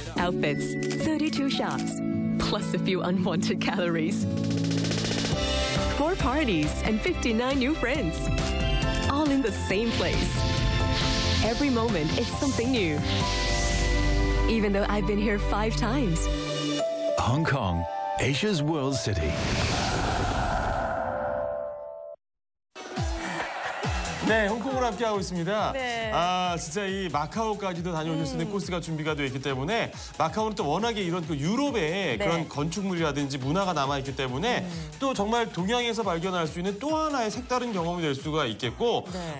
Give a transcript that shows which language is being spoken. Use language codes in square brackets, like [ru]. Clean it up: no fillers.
[en] Outfits, 32 shops, plus a few unwanted calories. Four parties and 59 new friends, all in the same place. Every moment, it's something new. Even though I've been here 5 times. Hong Kong, Asia's world city. [ko] 네, 홍콩으로 함께하고 있습니다. 네. 아, 진짜 이 마카오까지도 다녀오셨는데 코스가 준비가 되어 있기 때문에 마카오는 또 워낙에 이런 그 유럽의 네. 그런 건축물이라든지 문화가 남아있기 때문에 또 정말 동양에서 발견할 수 있는 또 하나의 색다른 경험이 될 수가 있겠고 네.